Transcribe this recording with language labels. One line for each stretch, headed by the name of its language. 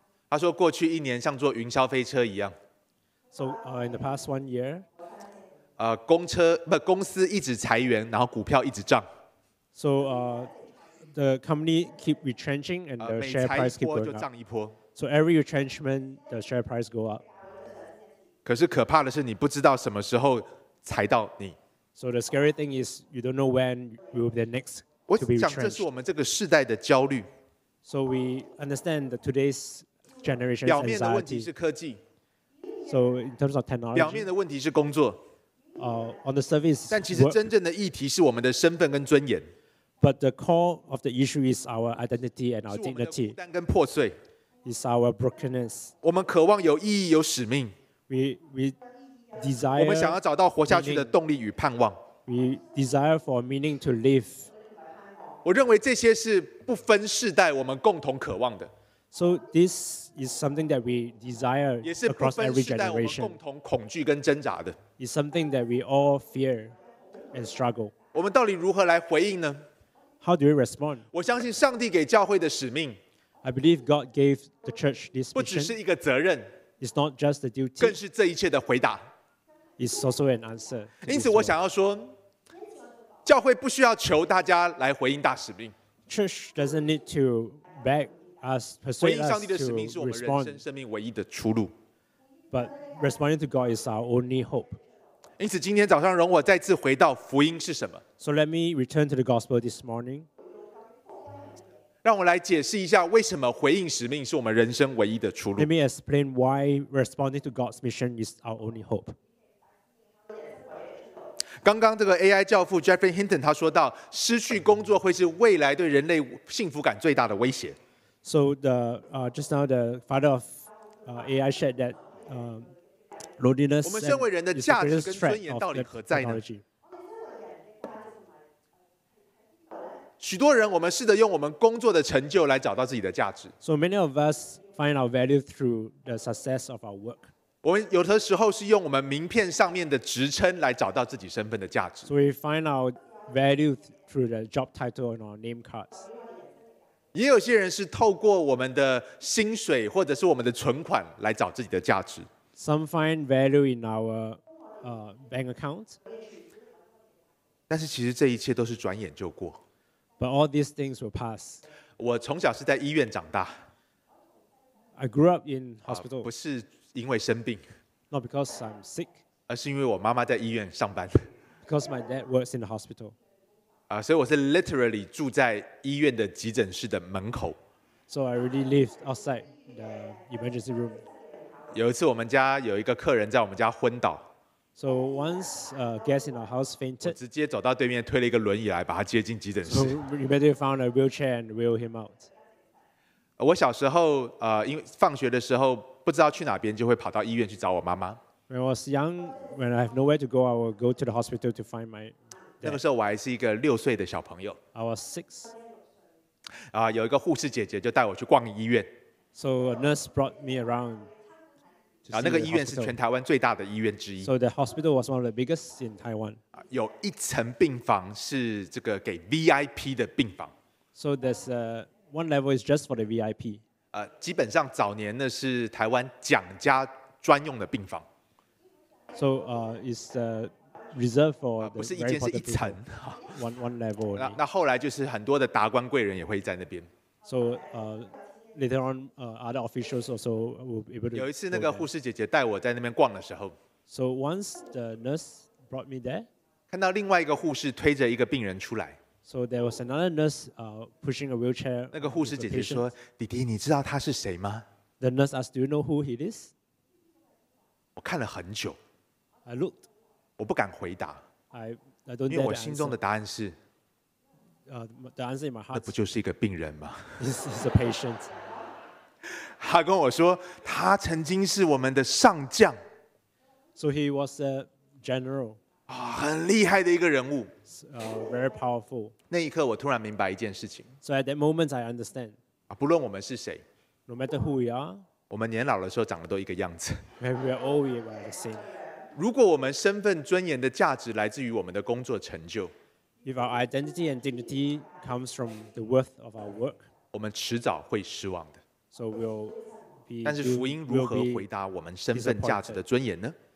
Chinese: 他说过去一年像坐云霄飞车一样。
English: So in the past one year,
Chinese: 公司一直裁员，然后股票一直涨。
English: So the company keep retrenching and the share price keep going up.
Chinese: 就涨一波。
English: So every retrenchment, the share price go up.
Chinese: 可是可怕的是，你不知道什么时候裁到你。
English: So the scary thing is you don't know when will be the next to be retrenched.
Chinese: 我想这是我们这个世代的焦虑。
English: So we understand that today's generation's anxiety.
Chinese: 表面的问题是科技。
English: So in terms of technology.
Chinese: 表面的问题是工作。
English: On the surface.
Chinese: 但其实真正的议题是我们的身份跟尊严。
English: But the core of the issue is our identity and our dignity.
Chinese: 是我们的孤单跟破碎。
English: Is our brokenness.
Chinese: 我们渴望有意义，有使命。
English: We desire.
Chinese: 我们想要找到活下去的动力与盼望。
English: We desire for meaning to live.
Chinese: 我认为这些是不分世代我们共同渴望的。
English: So this is something that we desire across every generation.
Chinese: 也是不分世代我们共同恐惧跟挣扎的。
English: It's something that we all fear and struggle.
Chinese: 我们到底如何来回应呢？
English: How do we respond?
Chinese: 我相信上帝给教会的使命。
English: I believe God gave the church this mission.
Chinese: 不只是一个责任。
English: It's not just the duty.
Chinese: 更是这一切的回答。
English: It's also an answer.
Chinese: 因此，我想要说，教会不需要求大家来回应大使命。
English: Church doesn't need to beg us, persuade us to respond.
Chinese: 回应上帝的使命是我们人生生命唯一的出路。
English: But responding to God is our only hope.
Chinese: 因此，今天早上容我再次回到福音是什么。
English: So let me return to the gospel this morning.
Chinese: 让我来解释一下为什么回应使命是我们人生唯一的出路。
English: Let me explain why responding to God's mission is our only hope.
Chinese: 刚刚这个 AI 教父 Jeffrey Hinton 他说到，失去工作会是未来对人类幸福感最大的威胁。
English: So the just now the father of AI said that loneliness.
Chinese: 我们身为人的价值跟尊严到底何在呢？许多人，我们试着用我们工作的成就来找到自己的价值。
English: So many of us find our value through the success of our work.
Chinese: 我们有的时候是用我们名片上面的职称来找到自己身份的价值。
English: So we find our value through the job title and our name cards.
Chinese: 也有些人是透过我们的薪水或者是我们的存款来找自己的价值。
English: Some find value in our bank account.
Chinese: 但是其实这一切都是转眼就过。
English: But all these things will pass.
Chinese: 我从小是在医院长大。
English: I grew up in hospital.
Chinese: 不是因为生病。
English: Not because I'm sick.
Chinese: 而是因为我妈妈在医院上班。
English: Because my dad works in the hospital.
Chinese: 所以我是
English: literally
Chinese: 住在医院的急诊室的门口。
English: So I really lived outside the emergency room.
Chinese: 有一次我们家有一个客人在我们家昏倒。
English: So once a guest in our house fainted,
Chinese: 我直接走到对面推了一个轮椅来把他接进急诊室。
English: So we immediately found a wheelchair and wheeled him out.
Chinese: 我小时候因为放学的时候不知道去哪边就会跑到医院去找我妈妈。
English: When I was young, when I have nowhere to go, I would go to the hospital to find my dad.
Chinese: 那个时候我还是一个六岁的小朋友。
English: I was six.
Chinese: 有一个护士姐姐就带我去逛医院。
English: So a nurse brought me around.
Chinese: 然后那个医院是全台湾最大的医院之一。
English: So the hospital was one of the biggest in Taiwan.
Chinese: 有一层病房是这个给 VIP 的病房。
English: So there's one level is just for the VIP.
Chinese: 基本上早年那是台湾蒋家专用的病房。
English: So it's reserved for the
Chinese: 不是一间是一层
English: one level.
Chinese: 那后来就是很多的达官贵人也会在那边。
English: So later on, other officials also will be able to.
Chinese: 有一次那个护士姐姐带我在那边逛的时候。
English: So once the nurse brought me there.
Chinese: 看到另外一个护士推着一个病人出来。
English: So there was another nurse pushing a wheelchair.
Chinese: 那个护士姐姐说：“弟弟，你知道他是谁吗？”
English: The nurse asked, "Do you know who he is?"
Chinese: 我看了很久。
English: I looked.
Chinese: 我不敢回答。
English: I don't.
Chinese: 因为我心中的答案是。
English: The answer in my heart.
Chinese: 那不就是一个病人吗
English: ？This is a patient.
Chinese: 他跟我说，他曾经是我们的上将。
English: So he was a general.
Chinese: 很厉害的一个人物。
English: Very powerful.
Chinese: 那一刻，我突然明白一件事情。
English: So at that moment, I understand.
Chinese: 不论我们是谁
English: ，No matter who we are,
Chinese: 我们年老的时候长得都一个样子。
English: We are all we are the same.
Chinese: 如果我们身份尊严的价值来自于我们的工作成就
English: ，If our identity and dignity comes from the worth of our work,
Chinese: 我们迟早会失望的。
English: So we'll be.
Chinese: 但是福音如何回答我们身份价值的尊严呢